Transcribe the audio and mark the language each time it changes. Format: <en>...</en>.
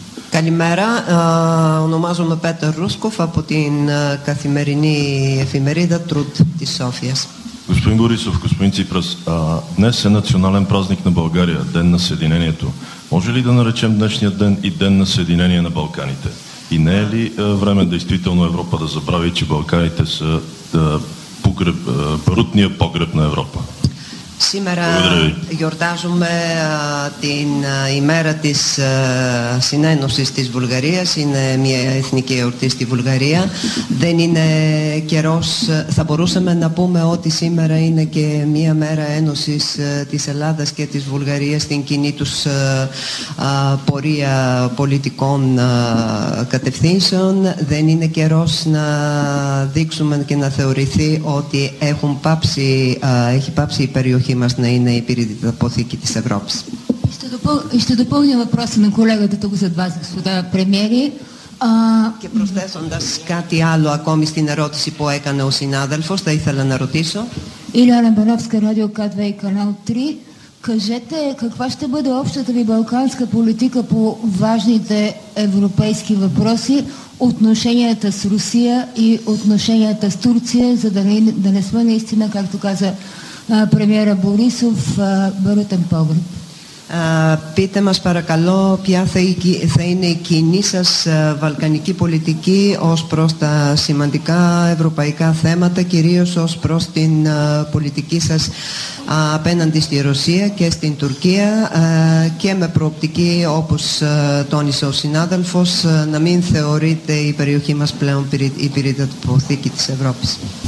<el>Καλημέρα, ονομάζομαι Πέτερ Ρούσκοφ από την καθημερινή εφημερίδα Труд της Σόφιας.</el> <bg>Господин Борисов, господин Ципрас, днес е национален празник на България, Ден на Съединението. Може ли да наречем днешния ден и Ден на Съединение на Балканите? И не е ли време действително Европа да забрави, че Балканите са барутния погреб на Европа?</bg> <el>Σήμερα γιορτάζουμε την ημέρα της συνένωσης της Βουλγαρίας. Είναι μια εθνική εορτή στη Βουλγαρία. Δεν είναι καιρός, θα μπορούσαμε να πούμε ότι σήμερα είναι και μια μέρα ένωσης της Ελλάδας και της Βουλγαρίας στην κοινή τους πορεία πολιτικών κατευθύνσεων. Δεν είναι καιρός να δείξουμε και να θεωρηθεί ότι έχει πάψει η περιοχή μας να είναι η πυρηνική αποθήκη της Ευρώπης.</el> <bg>Ще допълня въпроса на колегата тук зад вас, господа премиери.</bg> <el>Και προσθέσοντας κάτι άλλο ακόμη στην ερώτηση που έκανε ο συνάδελφος, θα ήθελα να ρωτήσω. Ηλιάνα Μπανόφσκα, Radio K2, Canal 3.</el> <bg>Кажете, каква ще бъде общата ви балканска политика по важните европейски въпроси, отношенията с Русия и отношенията с Турция, за да не сме наистина, както каза премиера Борисов, барутен погреб.</bg> <el>Πείτε μας παρακαλώ ποια θα είναι η κοινή σας βαλκανική πολιτική ως προς τα σημαντικά ευρωπαϊκά θέματα, κυρίως ως προς την πολιτική σας απέναντι στη Ρωσία και στην Τουρκία, και με προοπτική, όπως τόνισε ο συνάδελφος, να μην θεωρείται η περιοχή μας πλέον η πυρηνική της Ευρώπης.</el>